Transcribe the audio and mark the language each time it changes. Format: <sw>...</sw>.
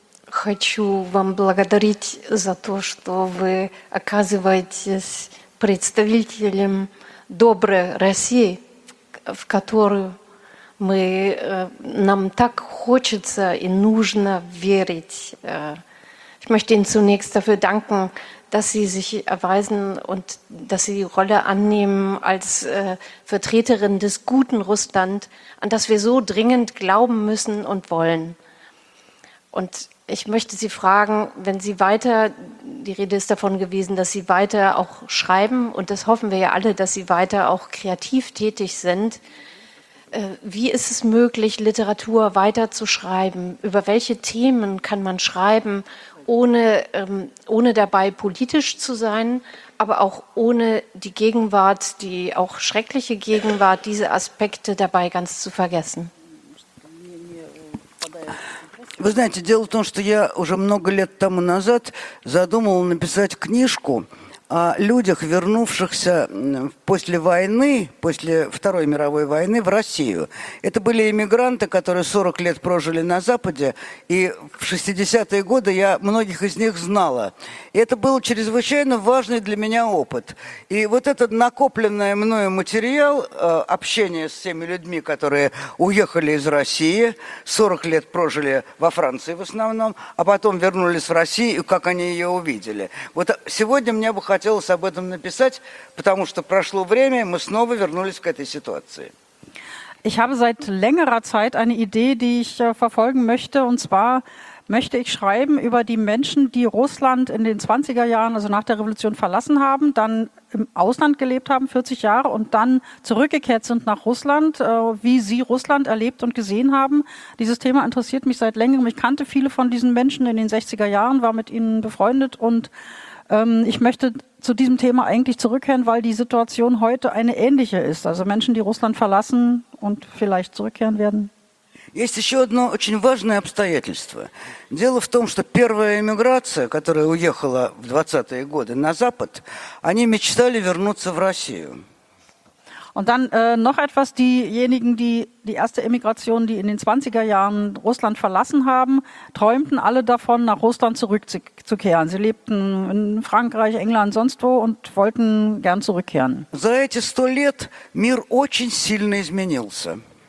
<ru>Хочу вам благодарить за то, что вы оказываетесь представителем доброй России, в которую мы, нам так хочется и нужно верить.</ru> <de>Ich möchte Ihnen zunächst dafür danken, dass Sie sich erweisen und dass Sie die Rolle annehmen als Vertreterin des guten Russland, an das wir so dringend glauben müssen und wollen. Und ich möchte Sie fragen, wenn Sie weiter, die Rede ist davon gewesen, dass Sie weiter auch schreiben, und das hoffen wir ja alle, dass Sie weiter auch kreativ tätig sind. Wie ist es möglich, Literatur weiter zu schreiben? Über welche Themen kann man schreiben, ohne dabei politisch zu sein, aber auch ohne die Gegenwart, die auch schreckliche Gegenwart, diese Aspekte dabei ganz zu vergessen?</de> <ru>Вы знаете, дело в том, что я уже много лет тому назад задумал написать книжку о людях, вернувшихся после войны, после Второй мировой войны в Россию. Это были эмигранты, которые 40 лет прожили на Западе, и в 60-е годы я многих из них знала. И это был чрезвычайно важный для меня опыт. И вот этот накопленный мною материал общения с теми людьми, которые уехали из России, 40 лет прожили во Франции в основном, а потом вернулись в Россию, как они ее увидели. Вот сегодня мне бы хотелось об этом написать, потому что прошло время, мы снова вернулись к этой ситуации.</ru> <de>Ich habe seit längerer Zeit eine Idee, die ich verfolgen möchte, und zwar möchte ich schreiben über die Menschen, die Russland in den 20er Jahren, also nach der Revolution, verlassen haben, dann im Ausland gelebt haben, 40 Jahre, und dann zurückgekehrt sind nach Russland, wie sie Russland erlebt und gesehen haben. Dieses Thema interessiert mich seit längerem. Ich kannte viele von diesen Menschen in den 60er Jahren, war mit ihnen befreundet, und ich möchte zu diesem Thema eigentlich zurückkehren, weil die Situation heute eine ähnliche ist. Also Menschen, die Russland verlassen und vielleicht zurückkehren werden.</de> <ru>Есть еще одно очень важное обстоятельство. Дело в том, что первая эмиграция, которая уехала в 20-е годы на Запад, они мечтали вернуться в Россию.</ru> <de>Und dann noch etwas, diejenigen, die die erste Emigration, die in den 20er Jahren Russland verlassen haben, träumten alle davon, nach Russland zurückzukehren. Sie lebten in Frankreich, England, sonst wo und wollten gern zurückkehren.</de> <ru>За эти 100 лет мир очень сильно изменился.</ru>